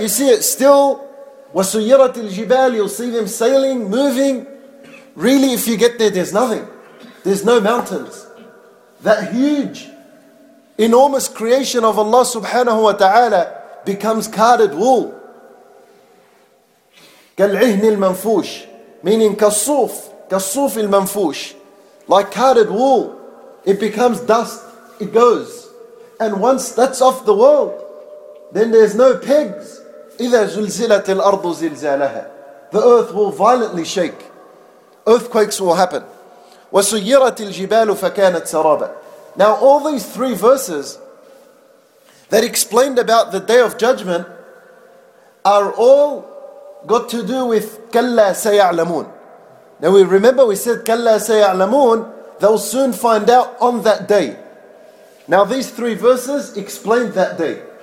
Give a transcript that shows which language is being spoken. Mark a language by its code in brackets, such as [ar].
[en] You see it still. [ar] وَسُيِّرَتِ الْجِبَالِ. [en] You'll see them sailing, moving. Really, if you get there, there's nothing. There's no mountains. That huge, enormous creation of Allah subhanahu wa ta'ala becomes carded wool. [ar] كالعهن المنفوش, meaning كالصوف, كالصوف المنفوش, [en] like carded wool. It becomes dust, it goes. And once that's off the world, then there's no pegs. [ar] إذا زلزلت الأرض زلزالها. [en] The earth will violently shake. Earthquakes will happen. [ar] وسيرت الجبال فكانت سرابا. [en] Now all these three verses that explained about the Day of Judgment are all got to do with [ar] كَلَّا سَيَعْلَمُونَ. [en] Now we remember we said كَلَّا سَيَعْلَمُونَ, they'll soon find out on that day. Now these three verses explain that day.